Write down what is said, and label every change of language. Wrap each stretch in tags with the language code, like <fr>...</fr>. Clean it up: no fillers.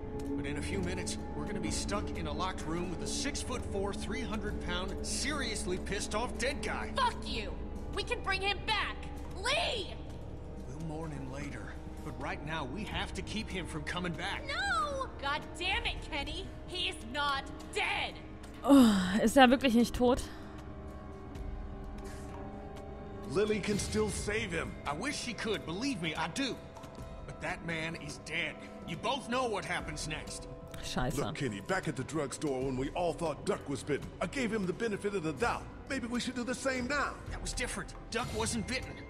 <en>But in a few minutes, we're gonna be stuck in a locked room with a 6'4", 300-pound, seriously pissed off dead guy. Fuck you! We can bring him back! Lee! We'll mourn him later. But right now, we have to keep him from coming back. No! God damn it, Kenny! He's not dead!</en> <de>Oh, ist er wirklich nicht tot?</de> <en>Lily can still save him. I wish she could, believe me, I do. But that man is dead. You both know what happens next.</en> <de>Scheiße.</de> <en>Look, Kenny, back at the drugstore when we all thought Duck was bitten, I gave him the benefit of the doubt. Maybe we should do the same now. That was different. Duck wasn't bitten.</en>